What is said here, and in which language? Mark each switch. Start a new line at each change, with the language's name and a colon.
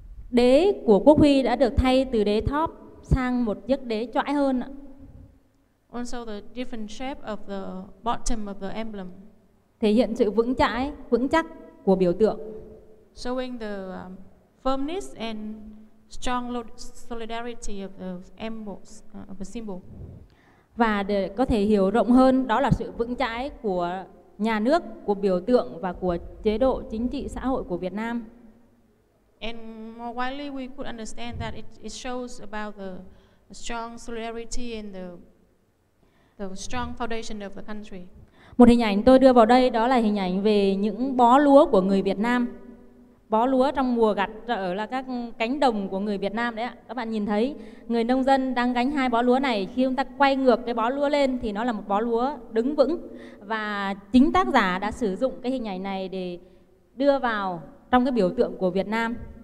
Vietnamese: Đế của quốc huy đã được thay từ đế thóp sang một chiếc đế chõi hơn.
English: Also the different shape of the bottom of the emblem
Vietnamese: thể hiện sự vững chắc của biểu tượng,
English: showing the firmness and strong solidarity of the emblems of the symbol.
Vietnamese: Và để có thể hiểu rộng hơn, đó là sự vững chãi của nhà nước, của biểu tượng và của chế độ chính trị xã hội của Việt Nam.
English: And more widely we could understand that it shows about the strong solidarity and the strong foundation of the country.
Vietnamese: Một hình ảnh tôi đưa vào đây đó là hình ảnh về những bó lúa của người Việt Nam. Bó lúa trong mùa gặt ở là các cánh đồng của người Việt Nam đấy ạ. Các bạn nhìn thấy người nông dân đang gánh hai bó lúa này. Khi chúng ta quay ngược cái bó lúa lên thì nó là một bó lúa đứng vững. Và chính tác giả đã sử dụng cái hình ảnh này để đưa vào trong cái biểu tượng của Việt Nam.